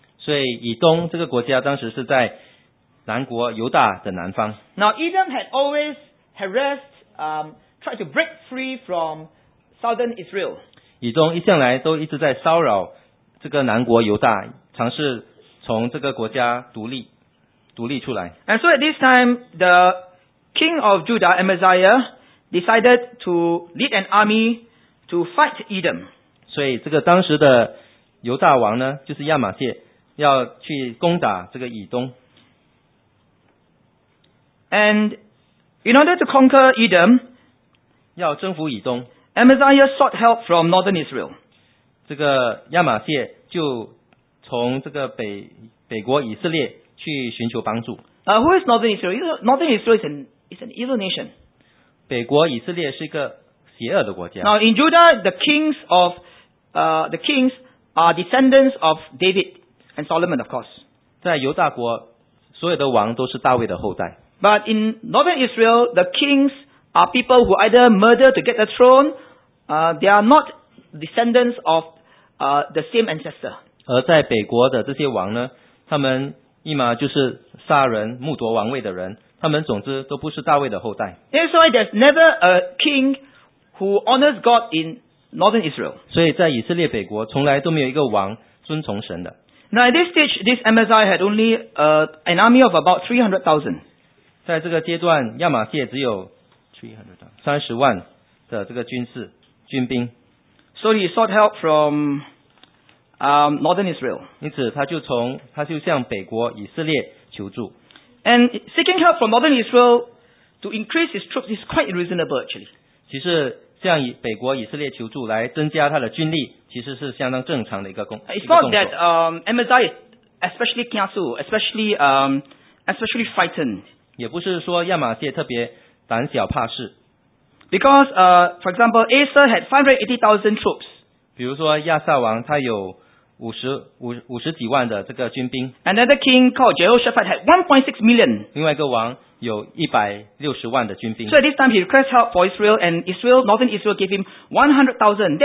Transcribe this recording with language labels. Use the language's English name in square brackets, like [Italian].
[Chinese] 所以以东这个国家当时是在南国犹大的南方。 [English] Now Edom had always harassed, tried to break free from southern Israel. [Chinese] 以东一向来都一直在骚扰这个南国犹大，尝试。从这个国家独立出来。 [English] And so at this time, the king of Judah, Amaziah, decided to lead an army to fight Edom. [Chinese] 所以这个当时的犹大王呢，就是亚玛谢，要去攻打这个以东。 [English] And in order to conquer Edom, [Chinese] 要征服以东 [English] ，Amaziah sought help from northern Israel. [Chinese] 这个亚玛谢就从这个北国以色列去寻求帮助。 [English] Who is Northern Israel? Northern Israel is an evil nation. [Chinese] 北国以色列是一个邪恶的国家。 [English] Now in Judah, the kings are descendants of David and Solomon, of course. [Chinese] 在犹大国，所有的王都是大卫的后代。 [English] But in Northern Israel, the kings are people who either murder to get the throne. They are not descendants of the same ancestor. [Chinese] 而在北国的这些王呢，他们一嘛就是杀人目夺王位的人，他们总之都不是大卫的后代。 [English] That's why there's never a king who honors God in northern Israel. [Chinese] 所以在以色列北国从来都没有一个王遵从神的。 [English] Now at this stage, this Amaziah had only an army of about 300,000. [Chinese] 在这个阶段，亚玛谢只有300,000的这个军兵。 [English] So he sought help from Northern Israel. [Chinese] 因此他就向北国以色列求助。 [English] And seeking help from Northern Israel to increase his troops is quite reasonable, actually. [Chinese] 其实向北国以色列求助来增加他的军力，其实是相当正常的一个动作。 [English] It's not that Amaziah especially kiasu, especially frightened. [Chinese] 也不是说亚玛谢特别胆小怕事。 [English] Because, for example, Asa had 580,000 troops. [Chinese] 比如说亚萨王他有50几万的这个军兵。 [English] Another king called Jehoshaphat had 1.6 million. [Chinese] 另外一个王有160万的军兵。 [English] So at this time he requested help for Israel, and Israel, northern Israel, gave him 100,000.